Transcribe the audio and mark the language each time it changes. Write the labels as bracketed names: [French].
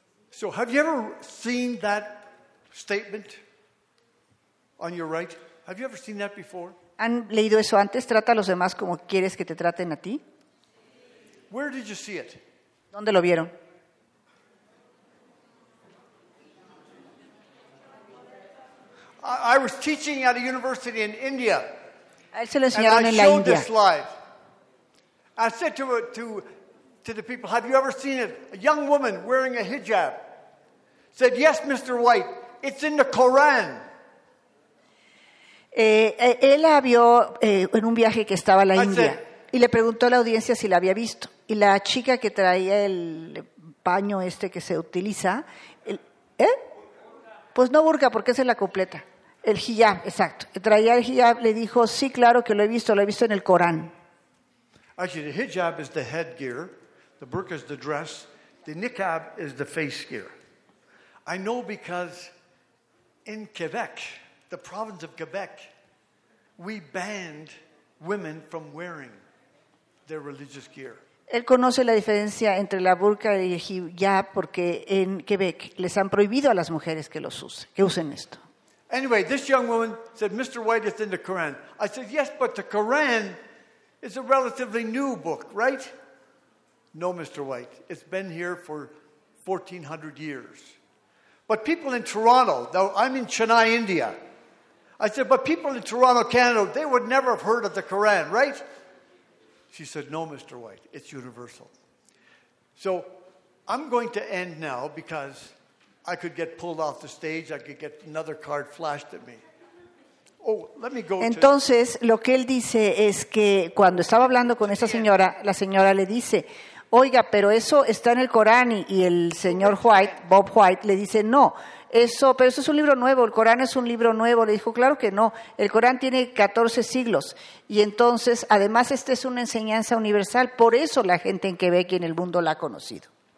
[English] So have you ever seen that statement on your right? Have you ever seen that before? [Spanish] ¿Han leído eso antes? Trata a los demás como quieres que te traten a ti. [English] Where did you see it? [Spanish] ¿Dónde lo vieron? [English] I was teaching at a university in India. [Spanish] Él se lo enseñaron en la India. [English] And I showed this slide. I said to the people, have you ever seen it? A young woman wearing a hijab said, yes, Mr. White, it's in the Quran. [Spanish] Él la vio en un viaje que estaba a la India. Y le preguntó a la audiencia si la había visto. Y la chica que traía el paño este que se utiliza, pues no burka, porque es en la completa. El hijab, exacto. Traía el hijab, le dijo, sí, claro que lo he visto en el Corán. [English] Actually, the hijab is the headgear, the burqa is the dress, the niqab is the face gear. I know because in Quebec, the province of Quebec, we banned women from wearing their religious gear. [Spanish] Él conoce la diferencia entre la burka y el hijab porque en Quebec les han prohibido a las mujeres que usen esto. [English] Anyway, this young woman said, Mr. White, it's in the Quran. I said, yes, but the Quran is a relatively new book, right? No, Mr. White, it's been here for 1,400 years. But people in Toronto, now I'm in Chennai, India. I said, but people in Toronto, Canada, they would never have heard of the Quran, right? She said, no, Mr. White, it's universal. So I'm going to end now because I could get pulled off the stage, I could get another card flashed at me. Oh, let me go. [Spanish] Entonces, lo que él dice es que cuando estaba hablando con esa señora, la señora le dice, oiga, pero eso está en el Corán, y el señor White, Bob White, le dice, no, eso es un libro nuevo, el Corán es un libro nuevo. Le dijo, claro que no, el Corán tiene 14 siglos. Y entonces, además, esta es una enseñanza universal, por eso la gente en Quebec y en el mundo la ha conocido.